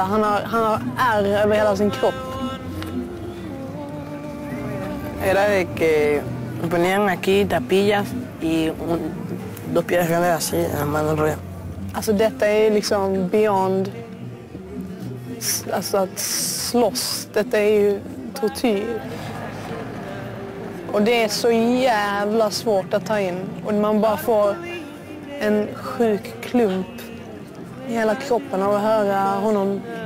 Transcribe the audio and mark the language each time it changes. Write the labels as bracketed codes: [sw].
[sv] Han har ärr över hela sin kropp. [es] Era de que me ponían aquí tapillas y dos piedras grandes así en la mano roja. [sv] Alltså, detta är liksom beyond. Alltså, att slåss. Detta är ju tortyr. Och det är så jävla svårt att ta in. Och man bara får en sjuk klump i hela kroppen av att höra honom.